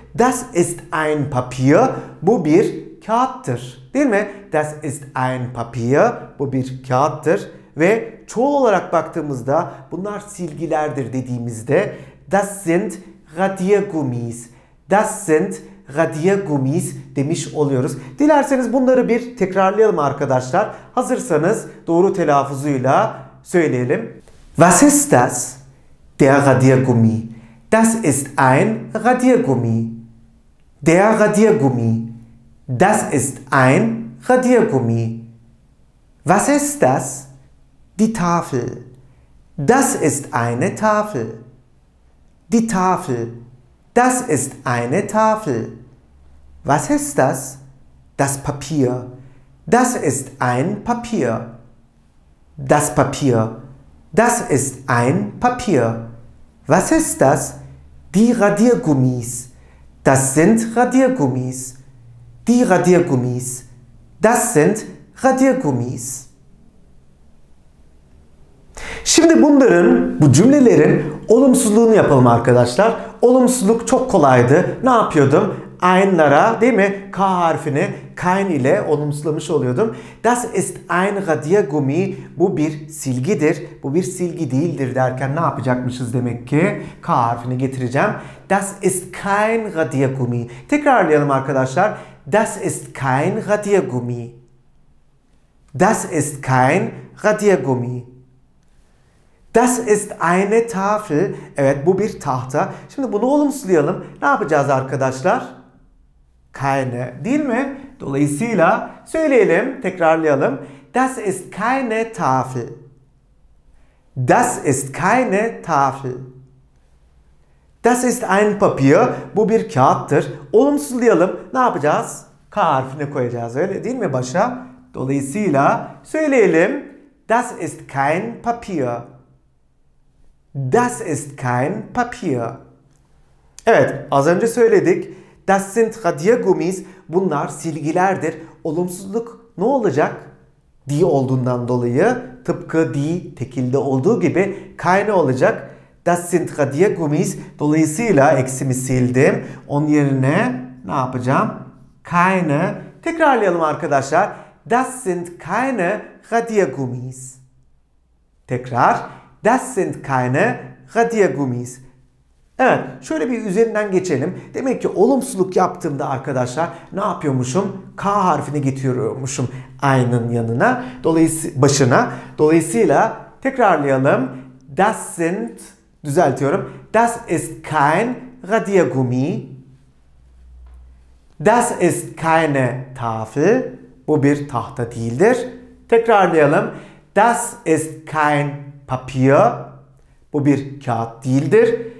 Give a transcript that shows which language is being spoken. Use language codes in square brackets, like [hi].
[de] Das ist ein Papier, [tr] bu bir kağıttır. Değil mi? [de] Das ist ein Papier, [tr] bu bir kağıttır. Ve çoğul olarak baktığımızda bunlar silgilerdir dediğimizde [de] das sind Radiergummis. Das sind radia gummis [tr] demiş oluyoruz. Dilerseniz bunları bir tekrarlayalım arkadaşlar. Hazırsanız doğru telaffuzuyla söyleyelim. [de] Was ist das? Der Radiergummi. Das ist ein Radiergummi. Der Radiergummi. Das ist ein Radiergummi. Was ist das? Die Tafel. Das ist eine Tafel. Die Tafel. Das ist eine Tafel. Was ist das? Das Papier. Das ist ein Papier. Das Papier. Das ist ein Papier. Was ist das? Die Radiergummis. Das sind Radiergummis. Die Radiergummis. Das sind Radiergummis. [tr] Şimdi bunların, bu cümlelerin olumsuzluğunu yapalım arkadaşlar. Olumsuzluk çok kolaydı. Ne yapıyordum? Ein'lara, değil mi? K harfini kein ile olumsuzlamış oluyordum. [de] Das ist ein Radiergummi. [tr] Bu bir silgidir. Bu bir silgi değildir derken ne yapacakmışız demek ki? K harfini getireceğim. [de] Das ist kein Radiergummi. [tr] Tekrarlayalım arkadaşlar. [de] Das ist kein Radiergummi. Das ist kein Radiergummi. Das ist eine Tafel. [tr] Evet, bu bir tahta. Şimdi bunu olumsuzlayalım. Ne yapacağız arkadaşlar? Keine, değil mi? Dolayısıyla söyleyelim, tekrarlayalım. [de] Das ist keine Tafel. Das ist keine Tafel. Das ist ein Papier. [tr] Bu bir kağıttır. Olumsuzlayalım. Ne yapacağız? K harfini koyacağız. Öyle değil mi başa? Dolayısıyla söyleyelim. [de] Das ist kein Papier. Das ist kein Papier. [tr] Evet, az önce söyledik. [de] Das sind Radiergummis. [tr] Bunlar silgilerdir. Olumsuzluk ne olacak? Die olduğundan dolayı, tıpkı die tekilde olduğu gibi keine olacak. [de] Das sind Radiergummis. [tr] Dolayısıyla eksimi sildim. Onun yerine ne yapacağım? Keine. Tekrarlayalım arkadaşlar. [de] Das sind keine Radiergummis. [tr] Tekrar. [de] Das sind keine Radiergummis. [tr] Evet, şöyle bir üzerinden geçelim. Demek ki olumsuzluk yaptığımda arkadaşlar ne yapıyormuşum? K harfini getiriyormuşum aynın yanına, başına. Dolayısıyla tekrarlayalım. [de] Das sind, [tr] düzeltiyorum. [de] Das ist kein Radiergummi. Das ist keine Tafel. [tr] Bu bir tahta değildir. Tekrarlayalım. [de] Das ist kein Papier. [tr] Bu bir kağıt değildir.